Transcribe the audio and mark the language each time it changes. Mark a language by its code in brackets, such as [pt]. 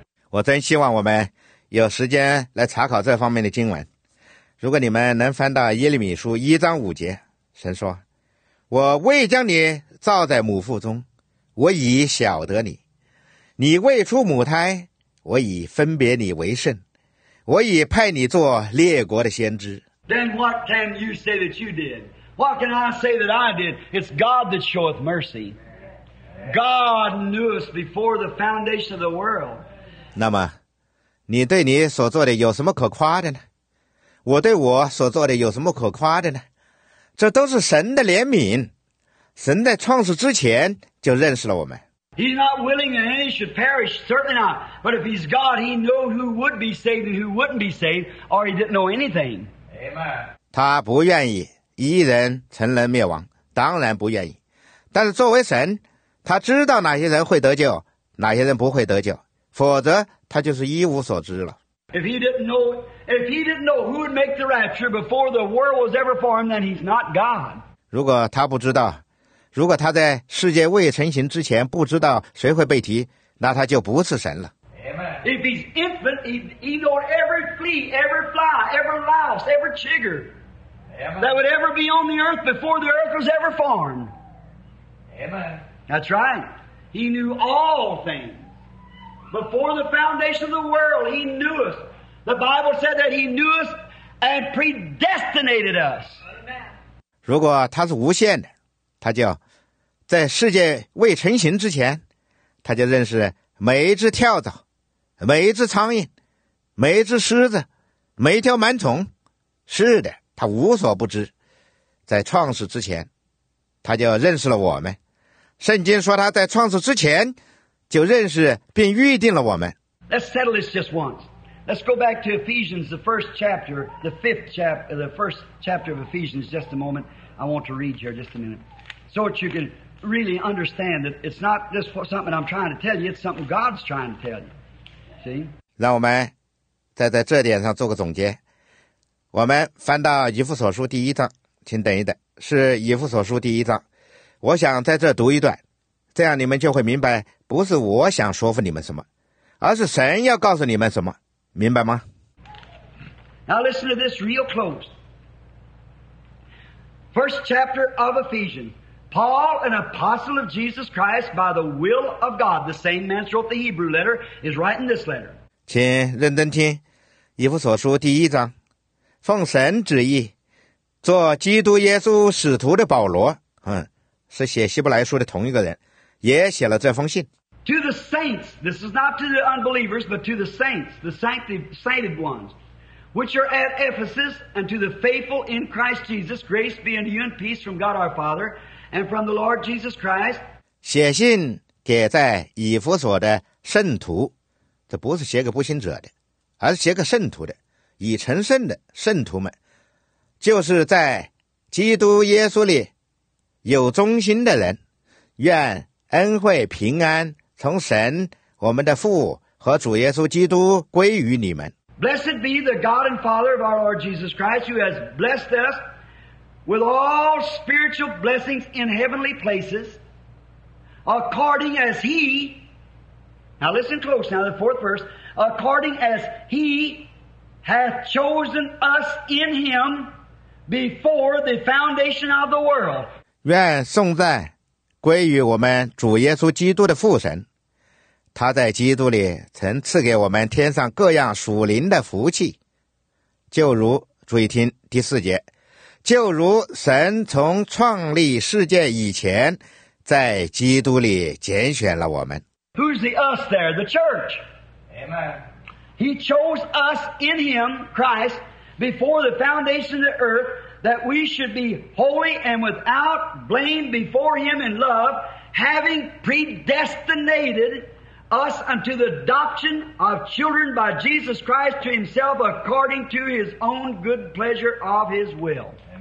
[zh] 我真希望我们有时间来查考这方面的经文。如果你们能翻到耶利米书1:5，神说，我未将你造在母腹中，我已晓得你。你未出母胎，我已分别你为圣。我已派你做列国的先知。 [en] Then what can you say that you did? What can I say that I did? It's God that showeth mercy. God knew us before the foundation of the world. [zh] 那么，你对你所做的有什么可夸的呢？我对我所做的有什么可夸的呢？这都是神的怜悯。神在创始之前就认识了我们。 [en] He's not willing that any should perish, certainly not. But if he's God, he knew who would be saved and who wouldn't be saved, or he didn't know anything. Amen. [zh] 他不愿意。一人成人灭亡，当然不愿意。但是作为神，他知道哪些人会得救，哪些人不会得救，否则他就是一无所知了。 [en] If he didn't know who would make the rapture before the world was ever formed, then he's not God. [zh] 如果他不知道，如果他在世界未成形之前不知道谁会被提，那他就不是神了。 [en] If he's infant, he knows every flea, every fly, every louse, every chigger that would ever be on the earth before the earth was ever formed. Amen. That's right. He knew all things. Before the foundation of the world, he knew us. The Bible said that he knew us and predestinated us. Amen. [zh] 如果他是无限的，他就在世界未成形之前，他就认识每一只跳蚤。每一只苍蝇，每一只狮子，每一条螨虫，是的，他无所不知。在创世之前，他就认识了我们。圣经说他在创世之前就认识并预定了我们。 [en] Let's settle this just once. Let's go back to Ephesians, the first chapter, the fifth chapter, the first chapter of Ephesians, just a moment. I want to read here just a minute. So that you can really understand that it's not just something I'm trying to tell you, it's something God's trying to tell you. [zh] 让我们再在这点上做个总结。我们翻到以弗所书第一章，请等一等，是以弗所书第一章。我想在这读一段，这样你们就会明白，不是我想说服你们什么，而是神要告诉你们什么，明白吗？ [en] Now listen to this real close. First chapter of Ephesians. Paul, an apostle of Jesus Christ by the will of God, the same man wrote the Hebrew letter, is writing this letter. [zh] 请认真听，以弗所书第一章，奉神旨意，做基督耶稣使徒的保罗，是写希伯来书的同一个人，也写了这封信。 [en] To the saints, this is not to the unbelievers, but to the saints, the sainted ones, which are at Ephesus, and to the faithful in Christ Jesus, grace be unto you and peace from God our Father,And from the Lord Jesus Christ, [zh] 写信给在以弗所的圣徒，这不是写给不信者的，而是写给圣徒的，已成圣的圣徒们，就是在基督耶稣里有忠心的人，愿恩惠平安从神我们的父和主耶稣基督归于你们。 [en] Blessed be the God and Father of our Lord Jesus Christ, who has blessed us. With all spiritual blessings in heavenly places, according as He, now listen close now, the fourth verse, according as He hath chosen us in Him before the foundation of the world. [zh] 愿颂赞归于我们主耶稣基督的父神，他在基督里曾赐给我们天上各样属灵的福气，就如，注意听第四节。就如神从创立世界以前，在基督里拣选了我们。 [en] Who's the us there? The church. Amen. He chose us in Him, Christ, before the foundation of the earth, that we should be holy and without blame before Him in love, having predestinated us unto the adoption of children by Jesus Christ to Himself, according to His own good pleasure of His will.